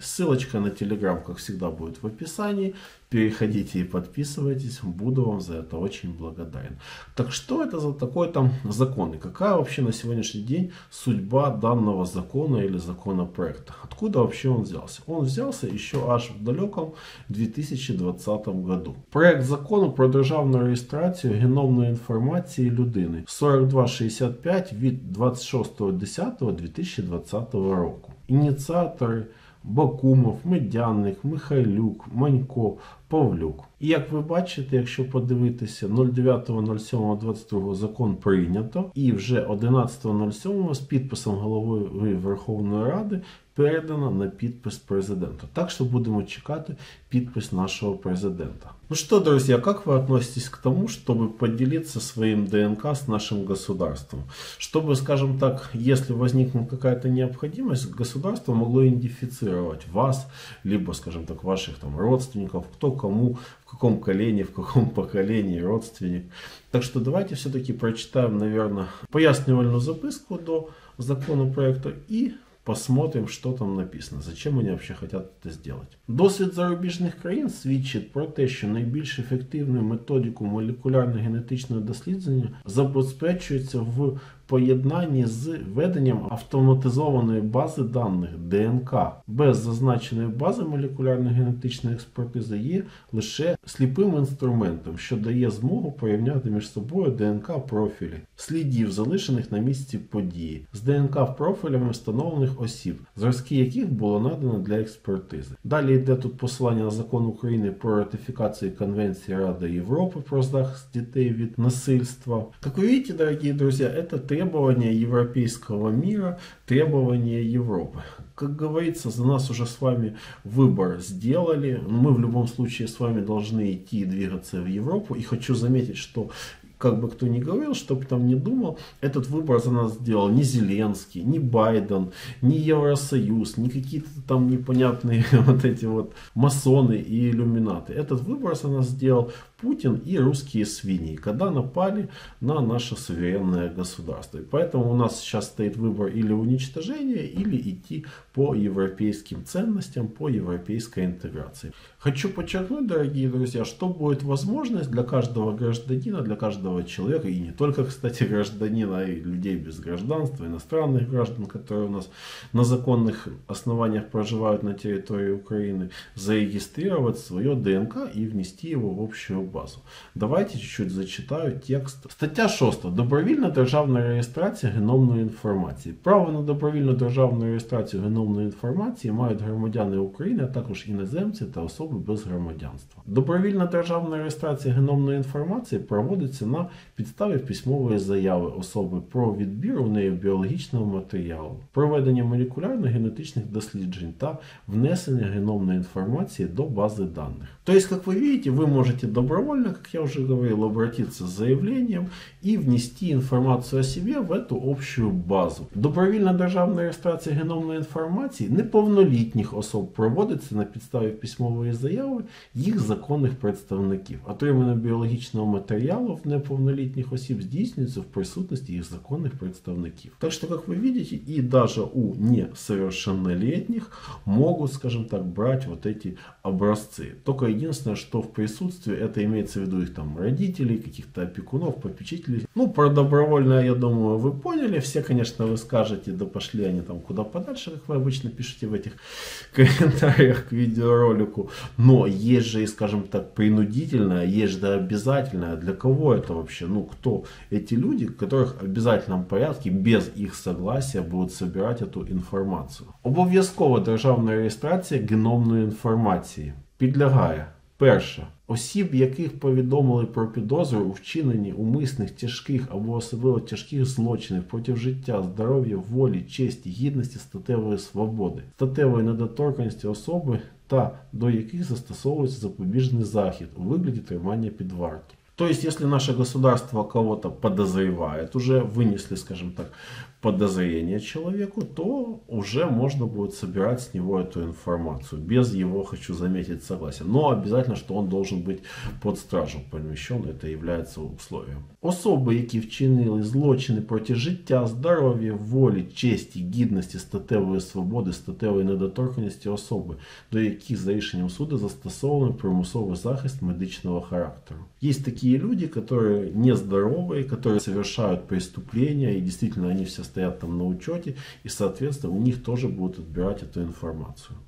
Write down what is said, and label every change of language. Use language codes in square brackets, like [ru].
[ru] Ссылочка на телеграм, как всегда, будет в описании. Переходите и подписывайтесь. Буду вам за это очень благодарен. Так что это за такой там закон? И какая вообще на сегодняшний день судьба данного закона или законопроекта? Откуда вообще он взялся? Он взялся еще аж в далеком 2020 году. [uk] Проект закона про державну реєстрацію геномної інформації людини 4265 від 26.10.2020 року. Ініціатори Бакумов, Медяник, Михайлюк, Манько, Павлюк. І як ви бачите, якщо подивитися, 09.07.22 закон прийнято, і вже 11.07 з підписом голови Верховної Ради передано на підпис президента. Так що будемо чекати підпис нашого президента. Ну что, друзья, как вы относитесь к тому, чтобы поделиться своим ДНК с нашим государством? Чтобы, скажем так, если возникнет какая-то необходимость, государство могло идентифицировать вас, либо, скажем так, ваших там родственников, кто кому, в каком колене, в каком поколении родственник. Так что давайте все-таки прочитаем, наверное, пояснительную записку до законопроекта и посмотрим, что там написано, зачем они вообще хотят это сделать. Досвід зарубіжних країн свідчить про те, що найбільш ефективну методику молекулярно-генетичного дослідження забезпечується в поєднанні з веденням автоматизованої бази даних ДНК. Без зазначеної бази молекулярно-генетичної експертизи є лише сліпим інструментом, що дає змогу порівняти між собою ДНК-профілі слідів, залишених на місці події, з ДНК-профілями встановлених осіб, зразки яких було надано для експертизи. Далі йде тут посилання на закон України про ратифікацію Конвенції Ради Європи про захист дітей від насильства. Як ви бачите, дорогі друзі, це те, [ru] требования европейского мира, требования Европы. Как говорится, за нас уже с вами выбор сделали. Мы в любом случае с вами должны идти и двигаться в Европу. И хочу заметить, что как бы кто ни говорил, что бы там ни думал, этот выбор за нас сделал ни Зеленский, ни Байден, ни Евросоюз, ни какие-то там непонятные вот эти вот масоны и иллюминаты. Этот выбор за нас сделал Путин и русские свиньи, когда напали на наше суверенное государство. И поэтому у нас сейчас стоит выбор или уничтожение, или идти по европейским ценностям, по европейской интеграции. Хочу подчеркнуть, дорогие друзья, что будет возможность для каждого гражданина, для каждого человека, и не только, кстати, гражданина, а и людей без гражданства, иностранных граждан, которые у нас на законных основаниях проживают на территории Украины, зарегистрировать свое ДНК и внести его в общую базу. Давайте чуть-чуть зачитаю текст. [uk] Стаття 6. Добровільна державна реєстрація геномної інформації. Право на добровільну державну реєстрацію геномної інформації мають громадяни України, а також іноземці та особи без громадянства. Добровільна державна реєстрація геномної інформації проводиться на підставі письмової заяви особи про відбір у неї біологічного матеріалу, проведення молекулярно-генетичних досліджень та внесення геномної інформації до бази даних. Тобто, як ви бачите, ви можете [ru] добровольно, как я уже говорил, обратиться с заявлением и внести информацию о себе в эту общую базу. Добровольно державная регистрация геномной информации неповнолетних особ проводится на подставе письмовой заявы их законных представителей. Отримання биологического материала в [uk] неповнолетних осіб здійснюється [ru] в присутствии их законных представителей. Так что, как вы видите, и даже у несовершеннолетних могут, скажем так, брать вот эти образцы. Только единственное, что в присутствии этой имеется в виду их там родителей, каких-то опекунов, попечителей. Ну, про добровольное, я думаю, вы поняли. Все, конечно, вы скажете, да пошли они там куда подальше, как вы обычно пишете в этих комментариях к видеоролику. Но есть же и, скажем так, принудительное, есть же обязательное. Для кого это вообще? Ну, кто эти люди, которых в обязательном порядке, без их согласия, будут собирать эту информацию? [uk] Обов'язкова державна реєстрація геномної інформації підлягає: перше, осіб, яких повідомили про підозру у вчиненні умисних, тяжких або особливо тяжких злочинів проти життя, здоров'я, волі, честі, гідності, статевої свободи, статевої недоторканності особи та до яких застосовується запобіжний захід у вигляді тримання під вартою. [ru] То есть, если наше государство кого-то подозревает, уже вынесли, скажем так, подозрение человеку, то уже можно будет собирать с него эту информацию. Без его, хочу заметить, согласия. Но обязательно, что он должен быть под стражу помещен, это является условием. [uk] Особи, які вчинили злочини проти життя, здоров'я, волі, честі, гідності, статевої свободи, статевої недоторканності особи, до яких за рішенням суду застосований примусовий захист медичного характеру. Є такі люди, які нездорові, які [ru] совершають преступления, [uk] і дійсно вони всі стоять там на учеті, і, відповідно, у них теж будуть відбирати цю інформацію.